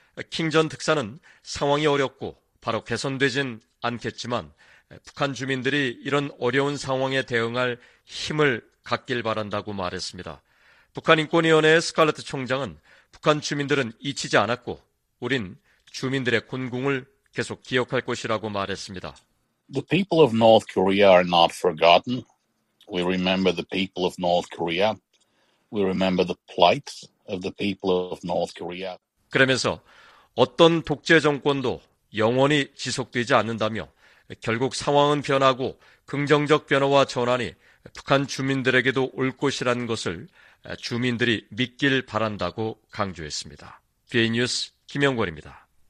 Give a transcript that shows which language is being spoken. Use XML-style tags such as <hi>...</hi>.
<ko>킹 전 특사는 상황이 어렵고 바로 개선되진 않겠지만 북한 주민들이 이런 어려운 상황에 대응할 힘을 갖길 바란다고 말했습니다. 북한인권위원회의 스칼레트 총장은 북한 주민들은 잊히지 않았고 우린 주민들의 곤궁을 계속 기억할 것이라고 말했습니다.</ko> <en>The people of North Korea are not forgotten. We remember the people of North Korea. We remember the plight of the people of North Korea.</en> <ko>그러면서 어떤 독재 정권도 영원히 지속되지 않는다며 결국 상황은 변하고 긍정적 변화와 전환이 북한 주민들에게도 올 것이라는 것을 주민들이 믿길 바란다고 강조했습니다. VN 뉴스 김영권입니다.</ko>